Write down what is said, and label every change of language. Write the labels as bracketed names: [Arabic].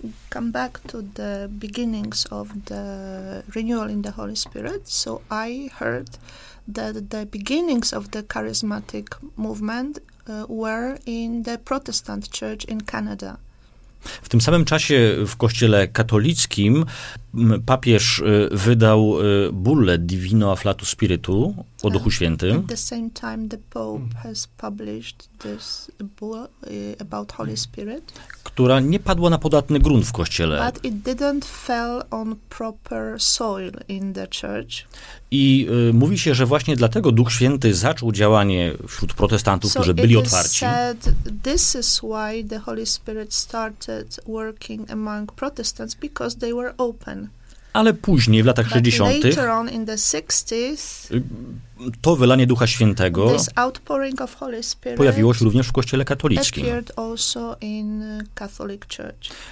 [English] Come back to the beginnings of the renewal in the Holy Spirit. So I heard that the beginnings of the charismatic movement were in the Protestant Church in Canada. [Polish] W tym samym czasie w kościele katolickim papież wydał bulle Divino Afflatus Spiritu o Duchu Świętym. [English] At the same time the Pope has published this bull about Holy Spirit. [Polish] Która nie padła na podatny grunt w kościele. [English] But it didn't fell on proper soil in the church. [Polish] I mówi się, że właśnie dlatego Duch Święty zaczął działanie wśród protestantów, [English] so [Polish] którzy byli otwarci. [English] Said, this is why the Holy Spirit started working among Protestants, because they were open. [Polish] Ale później, w latach 60. [English] Later on in the 60s, [Polish] to wylanie Ducha Świętego [English] this outpouring of Holy Spirit [Polish] pojawiło się również w kościele katolickim. [English] Appeared also in Catholic Church.